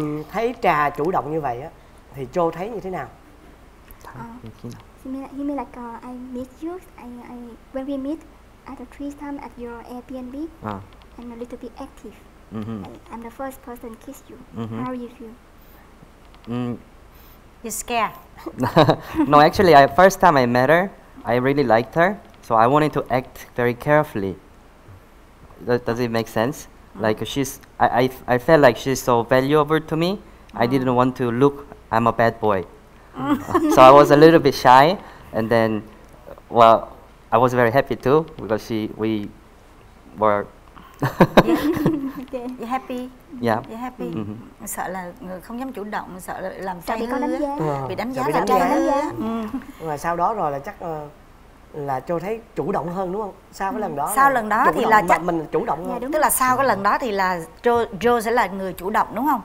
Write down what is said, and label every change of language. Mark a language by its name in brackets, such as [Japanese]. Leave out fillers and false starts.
[Vietnamese] Thấy Trà chủ động như vậy á, thì Joe thấy như thế nào? [English] He may like I meet you, I when we meet at the three time at your Airbnb, I'm a little bit active. I'm the first person kiss you. How you feel? You're scared. No, actually, I first time I met her, I really liked her, so I wanted to act very carefully. Does it make sense? Like she's, I felt like she's so valuable to me. I didn't want to look, I'm a bad boy. So I was a little bit shy, and then, well, I was very happy too because we were. You're happy. Yeah. You're happy. Mm-hmm. [Vietnamese] Sợ là người không dám chủ động, sợ là làm sai bị đánh giá. Bị đánh giá là trai đánh giá. Và sau đó rồi là chắc là cho thấy chủ động hơn đúng không? Sau cái lần đó. Sau lần đó thì là chắc mình chủ động. Dạ, tức là sau cái lần đó thì là Joe sẽ là người chủ động đúng không?